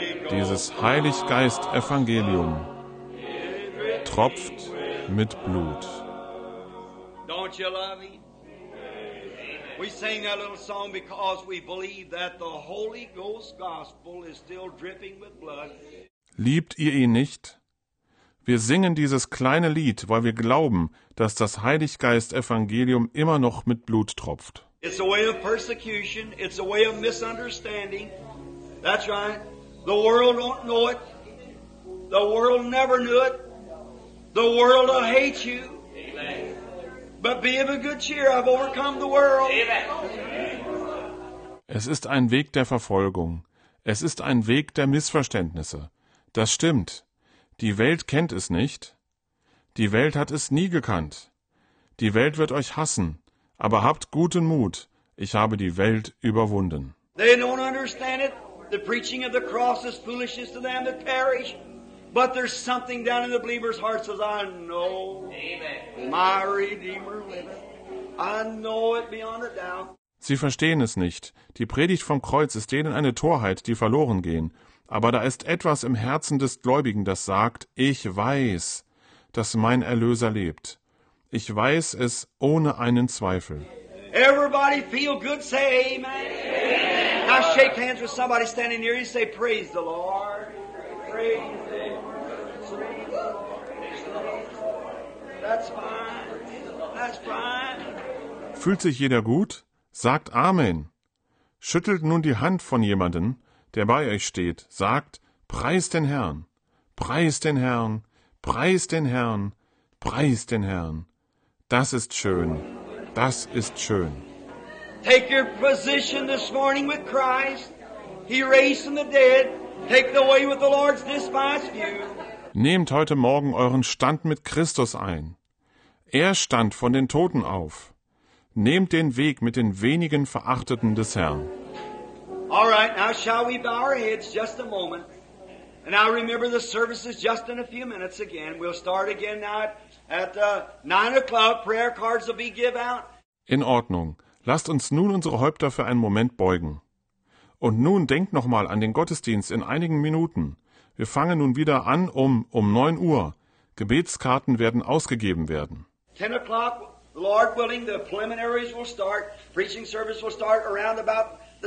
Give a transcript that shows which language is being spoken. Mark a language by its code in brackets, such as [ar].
[de] Dieses Heiliggeist-Evangelium tropft mit Blut. [en] Don't you love him? We sing that little song because we believe that the Holy Ghost gospel is still dripping with blood. [de] Liebt ihr ihn nicht? Wir singen dieses kleine Lied, weil wir glauben, dass das Heiliggeist-Evangelium immer noch mit Blut tropft. [en] It's a way of persecution, it's a way of misunderstanding. That's right. The world don't know it. The world never knew it. The world will hate you. Amen. But be of a good cheer, I've overcome the world. Amen. [de] Es ist ein Weg der Verfolgung. Es ist ein Weg der Missverständnisse. Das stimmt. Die Welt kennt es nicht. Die Welt hat es nie gekannt. Die Welt wird euch hassen. Aber habt guten Mut. Ich habe die Welt überwunden. [en] They don't understand it. The preaching of the cross is foolishness to them that perish. But there's something down in the believer's heart says, I know my Redeemer liveth. I know it beyond a doubt. [de] Sie verstehen es nicht. Die Predigt vom Kreuz ist denen eine Torheit, die verloren gehen. Aber da ist etwas im Herzen des Gläubigen, das sagt, ich weiß, dass mein Erlöser lebt. Ich weiß es ohne einen Zweifel. [en] Everybody feel good, say amen. Amen. Now shake hands with somebody standing near you, say praise the Lord. Praise the Lord. That's fine. That's fine. [de] Fühlt sich jeder gut? Sagt Amen. Schüttelt nun die Hand von jemandem, der bei euch steht, sagt, preist den Herrn, preist den Herrn, preist den Herrn, preist den Herrn. Das ist schön, das ist schön. [en] Take your position this morning with Christ. He raised from the dead. Take the way with the Lord's despised view. [de] Nehmt heute Morgen euren Stand mit Christus ein. Er stand von den Toten auf. Nehmt den Weg mit den wenigen Verachteten des Herrn. [en] All right, now shall we bow our heads just a moment. And I remember the service is just in a few minutes again. We'll start again now at 9 o'clock. Prayer cards will be given out. [de] In Ordnung. Lasst uns nun unsere Häupter für einen Moment beugen. Und nun denkt nochmal an den Gottesdienst in einigen Minuten. Wir fangen nun wieder an um 9 Uhr. Gebetskarten werden ausgegeben werden. [en] 10 o'clock, Lord willing, the preliminaries will start. Preaching service will start around about...